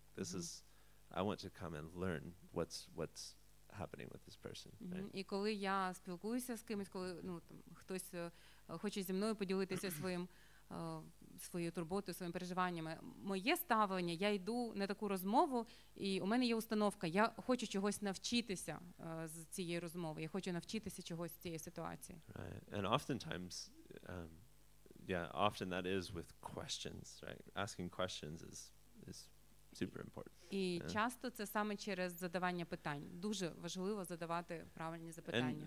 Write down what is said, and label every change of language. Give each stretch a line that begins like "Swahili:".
English: This mm-hmm. is I want to come and learn what's happening with this person. Mm-hmm. Right?
Ukrainian: І коли я спілкуюся з кимось, коли, хтось хоче зі мною поділитися своєю турботою, своїми переживаннями. Моє ставлення, я йду на таку розмову, і у мене є установка, я хочу чогось навчитися з цієї розмови, я хочу навчитися чогось з цієї ситуації.
English: Right. And oftentimes, often that is with questions, right? Asking questions is super important.
Ukrainian: І часто це саме через задавання питань. Дуже важливо задавати правильні запитання.